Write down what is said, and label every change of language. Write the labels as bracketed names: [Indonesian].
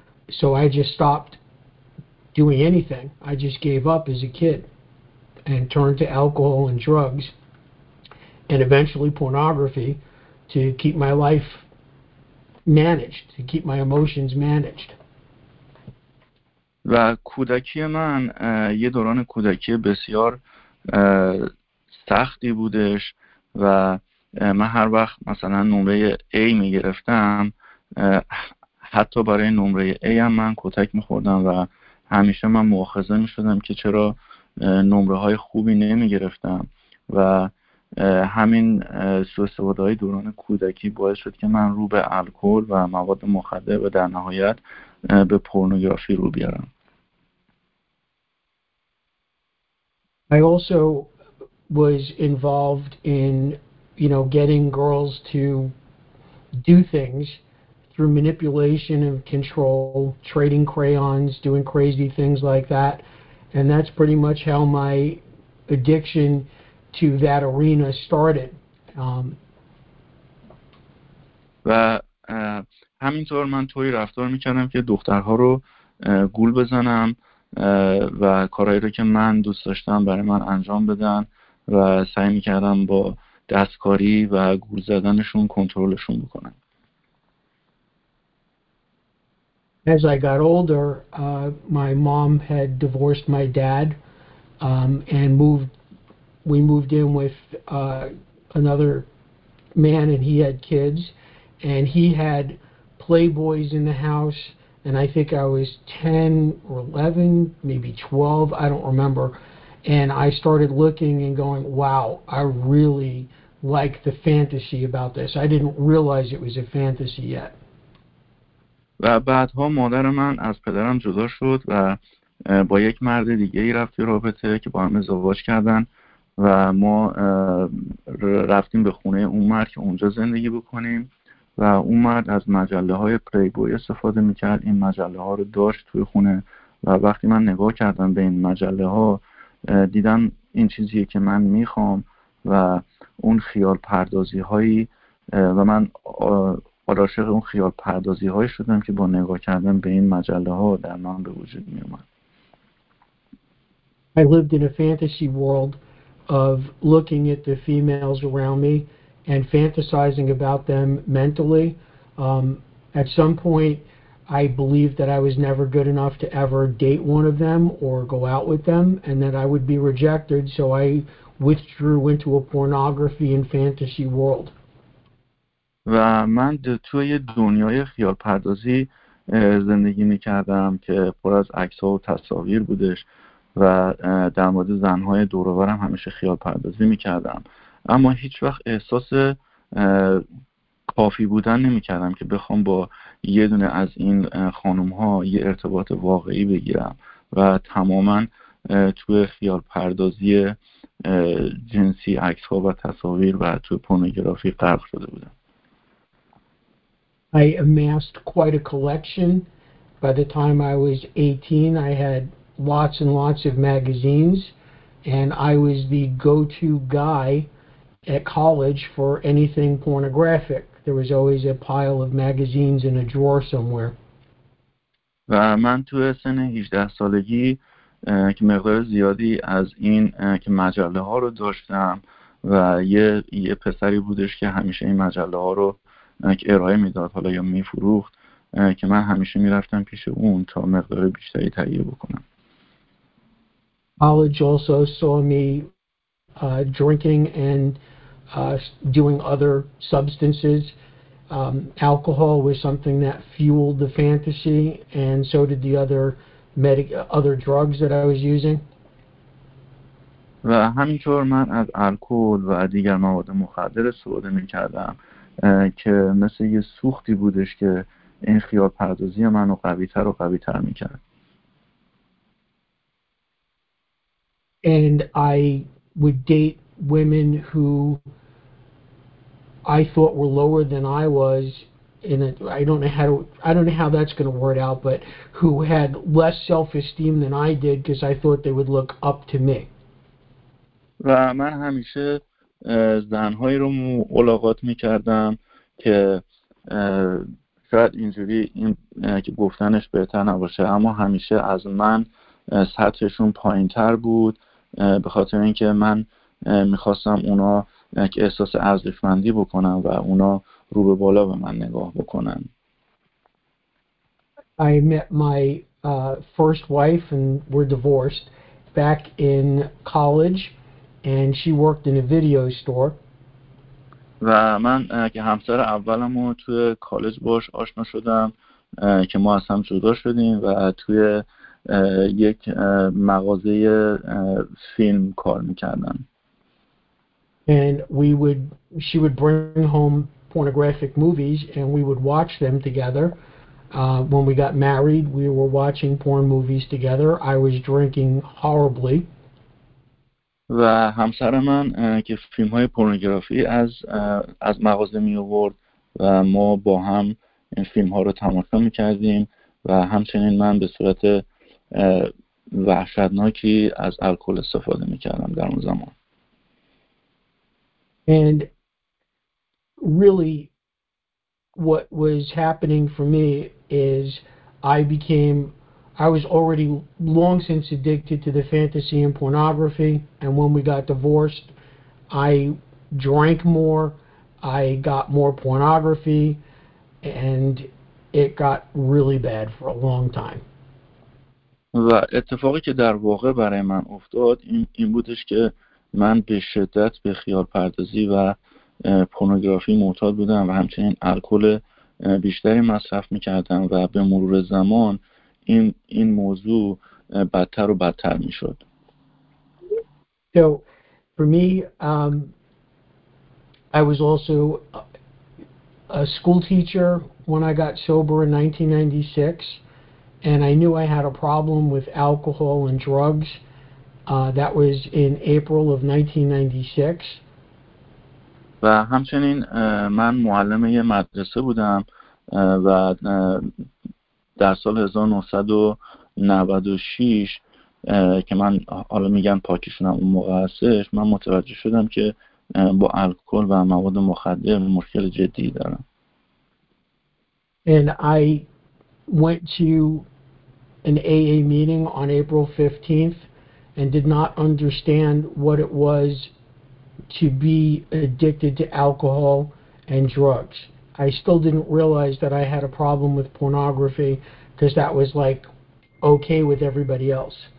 [English] So I just stopped doing anything. I just gave up as a kid and turned to alcohol and drugs and eventually pornography to keep my life managed, to keep my emotions managed. [Persian] و کودکی من یه دوران کودکی بسیار سختی بودش و من هر وقت مثلا نمره A میگرفتم حتی برای نمره A هم من کتک میخوردم و همیشه من مؤاخذه میشدم که چرا نمره های خوبی نمیگرفتم و همین سوء استفاده های دوران کودکی باعث شد که من رو به الکل و مواد مخدر و در نهایت به پورنوگرافی رو بیارم. [English] I also was involved in, you know, getting girls to do things through manipulation and control, trading crayons, doing crazy things like that. And that's pretty much how my addiction to that arena started. [Persian] و همینطور من طوری رفتار میکردم که دخترها رو گول بزنم و کارهایی رو که من دوست داشتم برای من انجام بدن و سعی میکردم با دستکاری و گول زدنشون کنترلشون بکنم. [English] As I got older, my mom had divorced my dad, and we moved in with another man, and he had kids, and he had Playboys in the house. And I think I was 10 or 11, maybe 12, I don't remember. And I started looking and going, wow, I really like the fantasy about this. I didn't realize it was a fantasy yet. [Persian] و بعدها مادر من از پدرم جدا شد و با یک مرد دیگه ای رفتی رابطه که با هم ازدواج کردن و ما رفتیم به خونه اون مرد که اونجا زندگی بکنیم و اون مرد از مجله های پلی بوی استفاده میکرد، این مجله ها رو داشت توی خونه و وقتی من نگاه کردم به این مجله ها دیدم این چیزیه که من میخوام و اون خیال پردازی هایی و من عاشق اون خیال پردازی هایی شدم که با نگاه کردن به این مجله ها در من به وجود میومد. [English] I lived in a fantasy world of looking at the females around me and fantasizing about them mentally. At some point, I believed that I was never good enough to ever date one of them or go out with them and that I would be rejected, so I withdrew into a pornography and fantasy world. [Persian] و من توی یه دنیای خیال پردازی زندگی می‌کردم که پر از عکس‌ها و تصاویر بودش و در مورد زن‌های دوروبرم همیشه خیال پردازی می‌کردم، اما هیچ وقت احساس کافی بودن نمی‌کردم که بخوام با یه دونه از این خانم‌ها یه ارتباط واقعی بگیرم و تماماً توی خیال پردازی جنسی عکس‌ها و تصاویر و توی پورنوگرافی غرق شده بودم. [English] I amassed quite a collection. By the time I was 18, I had lots and lots of magazines, and I was the go-to guy at college for anything pornographic. There was always a pile of magazines in a drawer somewhere. [Persian] و من توی سن 18 سالگی که مقدار زیادی از این که مجله ها رو داشتم و یه پسری بودش که همیشه این مجله ها رو که ارائه میداد حالا یا میفروخت که من همیشه میرفتم پیش اون تا مقدار بیشتری تهیه بکنم. [English] College also saw me drinking and doing other substances. Alcohol was something that fueled the fantasy, and so did the other drugs that I was using. [Persian] و همینطور من از الکل و دیگر مواد مخدر استفاده می‌کردم که مثل یه سوختی بودش که این خیال پردازی منو قوی‌تر و قوی‌تر می‌کرد. [English] And I would date women who I thought were lower than I was, and I don't know how that's going to word out, but who had less self-esteem than I did because I thought they would look up to me. [Persian] و من همیشه زنهایی رو ملاقات می‌کردم که شاید اینجوری این که گفتنش بهتر نباشه، اما همیشه از من سطحشون پایین‌تر بود به خاطر اینکه من میخواستم اونا یک احساس ارزشمندی بکنم و اونا رو به بالا به من نگاه بکنن. [English] I met my first wife and we're divorced back in college and she worked in a video store. [Persian] و من که همسر اولمو توی کالج باش آشنا شدم که ما از هم جدا شدیم و توی یک مغازه فیلم کار میکردن. [English] And she would bring home pornographic movies and we would watch them together. When we got married, we were watching porn movies together. I was drinking horribly. [Persian] و همسر من که فیلم های پورنوگرافی از مغازه می آورد و ما با هم این فیلم ها رو تماشا میکردیم و همچنین من به صورت وحشتناکی از الکل استفاده میکردم در اون زمان. [English] And really what was happening for me is I was already long since addicted to the fantasy and pornography, and when we got divorced I drank more, I got more pornography, and it got really bad for a long time. [Persian] و اتفاقی که در واقع برای من افتاد این بودش که من به شدت به خیال پردازی و پورنوگرافی معتاد بودم و همچنین الکل بیشتری مصرف میکردم و به مرور زمان این موضوع بدتر و بدتر میشد. [English] So for me, I was also a school teacher when I got sober in 1996. and I knew I had a problem with alcohol and drugs. That was in April of 1996. [Persian] و همچنین من معلم یه مدرسه بودم و در سال 1996 که من حالا میگم پاکستانم اون موقع هستش، من متوجه شدم که با الکل و مواد مخدر مشکل جدی دارم. [English] And I went to an AA meeting on April 15th and did not understand what it was to be addicted to alcohol and drugs. I still didn't realize that I had a problem with pornography because that was like okay with everybody else.